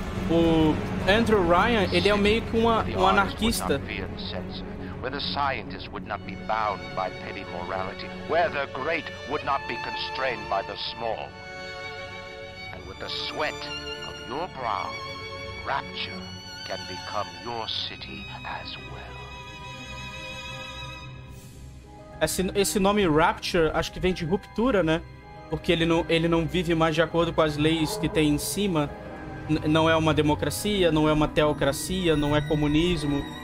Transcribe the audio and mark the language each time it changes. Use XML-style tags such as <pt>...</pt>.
<pt>O Andrew Ryan, ele é meio que um anarquista.</pt> <en>Where the scientist would not be bound by petty morality, where the great would not be constrained by the small. And with the sweat of your brow, rapture can become your city as well.</en> <pt>Esse nome Rapture, acho que vem de ruptura, né? Porque ele não vive mais de acordo com as leis que tem em cima. Não é uma democracia, não é uma teocracia, não é comunismo.</pt>